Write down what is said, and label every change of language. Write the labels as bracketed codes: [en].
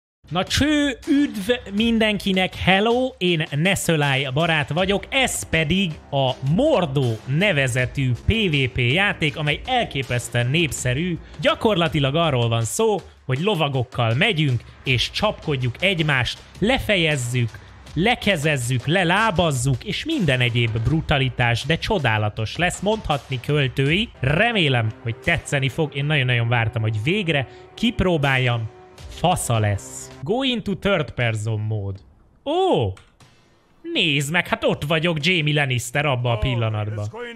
[hu] Na cső, üdv mindenkinek, hello, én Nesölaj barát vagyok, ez pedig a Mordó nevezetű PvP játék, amely elképesztően népszerű, gyakorlatilag arról van szó, hogy lovagokkal megyünk, és csapkodjuk egymást, lefejezzük, lekezezzük, lelábazzuk, és minden egyéb brutalitás, de csodálatos lesz, mondhatni költői, remélem, hogy tetszeni fog, én nagyon-nagyon vártam, hogy végre kipróbáljam, fasza lesz. [en] Go into third person mód. [hu] Ó! Nézd meg, hát ott vagyok Jamie Lannister abban a pillanatban.